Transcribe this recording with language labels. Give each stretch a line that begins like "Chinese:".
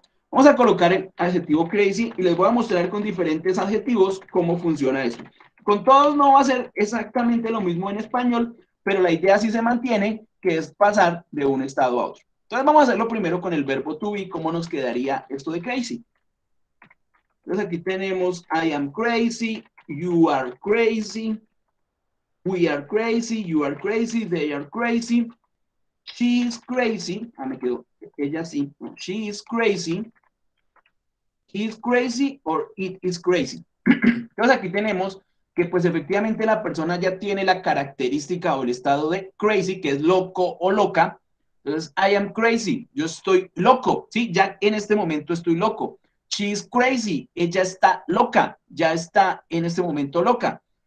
Spanish: Vamos a colocar el adjetivo crazy y les voy a mostrar con diferentes adjetivos cómo funciona eso. Con todos no va a ser exactamente lo mismo en español, pero la idea sí se mantiene, que es pasar de un estado a otro. Entonces vamos a hacerlo primero con el verbo to be, cómo nos quedaría esto de crazy. Entonces aquí tenemos
English: I am crazy, you are crazy, we are crazy, you are crazy, they are crazy. She is crazy.
Spanish: Ah, me quedó. Ella sí.
English: She is crazy. He is crazy or it is crazy.
Spanish: Entonces aquí tenemos que pues efectivamente la persona ya tiene la característica o el estado de crazy, que es loco o loca. Entonces,
English: I am crazy.
Spanish: Yo estoy loco. Sí, ya en este momento estoy loco.
English: She is crazy.
Spanish: Ella está loca. Ya está en este momento loca.